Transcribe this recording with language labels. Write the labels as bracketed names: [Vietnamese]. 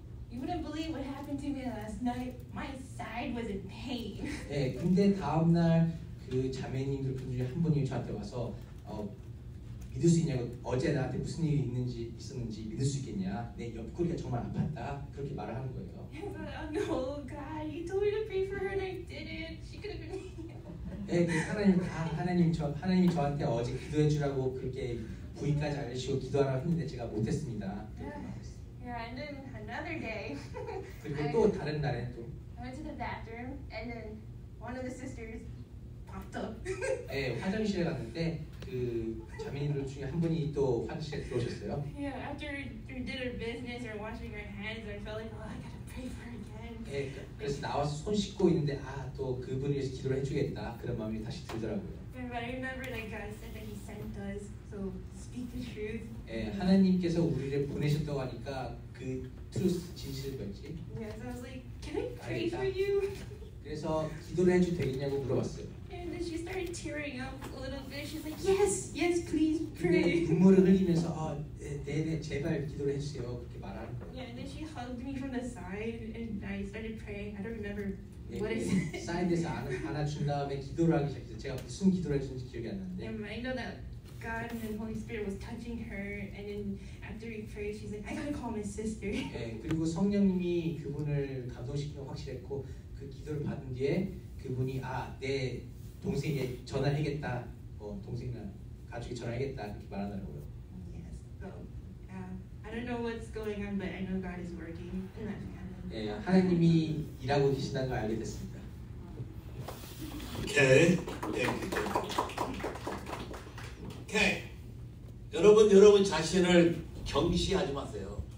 [English] You wouldn't believe what happened to me last night. My side was in pain." [Korean] 예, 근데 다음 날 그 자매님들 분 중에 한 분이 저한테 와서 믿을 수 있냐고 어제 나한테 무슨 일이 있었는지 믿을 수 있겠냐 내 옆구리가 정말 아팠다 그렇게 말을 하는 거예요. [English] Yeah, but, oh God, you told me to pray for her and I didn't. She could have been. [Korean] 네, 그 하나님 저한테 어제 기도해 주라고 그렇게 부인까지 알려주고 기도하라고 했는데 제가 못했습니다. [English] Yeah. random another day. [Korean] 그리고 또 다른 날에 또. [English] I went to the bathroom and then one of the sisters popped up. [Korean] 예, 화장실에 갔는데 그 자매님들 중에 한 분이 또 화장실에 들어오셨어요. [English] Yeah, after we did our business or washing our hands, I felt like, oh, I gotta pray for again. [Korean] 예, 그래서 나와서 손 씻고 있는데 아, 또 그분을 위해서 기도를 해주겠다 그런 마음이 다시 들더라고요. [English] But I remember that God said that He sent us, so speak the truth. [Korean] 그 truth, 진실을 변지. [English] Yes, I was like, can I pray [Korean] 아니다. [English] for you? [Korean] 그래서 기도를 해줘도 되겠냐고 물어봤어요. [English] And then she started tearing up a little bit. She's like, yes, yes, please pray. [Korean] 눈물을 흘리면서 아, 네네, 제발 기도를 해주세요. 그렇게 말하는 거예요. [English] Yeah, and then she hugged me from the side, and I started praying. I don't remember. 예, what is it? [Korean] 사인돼서 안아준 다음에 기도를 하기 시작했어요. 제가 무슨 기도를 했는지 기억이 안 나는데. [English] Yeah, I know that God and the Holy Spirit was touching her, and then after we prayed, she's like, I gotta call my sister. [Korean] 예, 그리고 성령님이 그분을 감동시키는 확실했고 그 기도를 받은 뒤에 그분이 아, 내 동생에 전화해야겠다. 어, 동생이나 가족에 전화해야겠다 그렇게 말하더라고요. [English] Yes. So, yeah. I don't know what's going on, but I know God is working. And that's [Korean] 예, 하나님이 일하고 계신다는 걸 알게 됐습니다. [English] 오케이. Thank you. [Korean] 오케이. 여러분, 여러분 자신을 경시하지 마세요.